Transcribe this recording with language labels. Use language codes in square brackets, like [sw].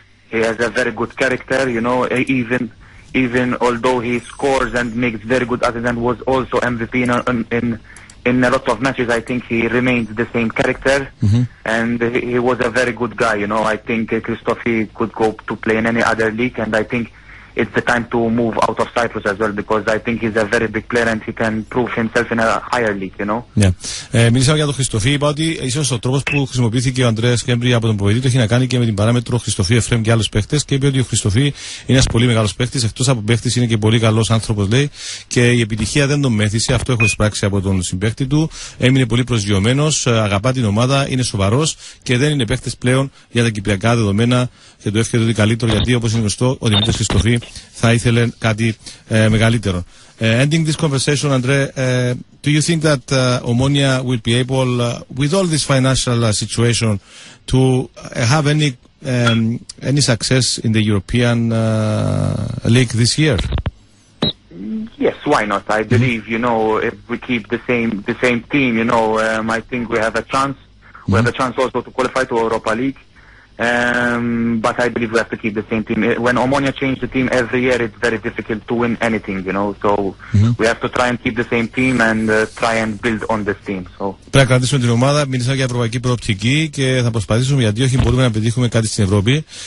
[en] He has a very good character, you know, even although he scores and makes very good assists and was also MVP in a lot of matches, I think he remains the same character. Mm-hmm. And he was a very good guy, you know. I think Christophe could go to play in any other league, and I think it's the time to move out of Cyprus as well, because I think he's a very big player and he can prove himself in a higher league, you know. [el] Ναι. Μίλησα για τον Χριστοφή, είπα ότι ίσως ο τρόπος που χρησιμοποιήθηκε ο Ανδρέας Σκέμπρι από τον προπονητή έχει να κάνει και με την παράμετρο Χριστοφή Εφρέμ και άλλους παίχτες, και είπε ότι ο Χριστοφή είναι ένας πολύ μεγάλος παίχτης, εκτός από παίχτης είναι και πολύ καλός άνθρωπος, λέει, και η επιτυχία δεν τον μέθησε, αυτό έχω εισπράξει από τον συμπαίχτη του. Έμεινε πολύ προσγειωμένος, αγαπά την ομάδα, είναι σοβαρός και δεν είναι παίχτες πλέον για τα κυπριακά δεδομένα, και το εύχεται ότι καλύτερο, γιατί όπως είναι γνωστό ο Δημήτρης Χριστοφή θα ήθελε κάτι μεγαλύτερο. [en] Ending this conversation, Andre, do you think that Omonia will be able, with all this financial situation, to have any success in the European league this year? Yes, why not? I believe, you know, if we keep the same team, you know, I think we have a chance. Mm-hmm. We have a chance also to qualify to Europa League. But I believe we have to keep the same team. When Omonia changes the team every year, it's very difficult to win anything, you know. So mm-hmm. we have to try and keep the same team and try and build on this team. So. [el] Πρέπει να κρατήσουμε την ομάδα. Μίλησα για ευρωπαϊκή προοπτική και θα προσπαθήσουμε, γιατί όχι, μπορούμε να πετύχουμε κάτι στην Ευρώπη.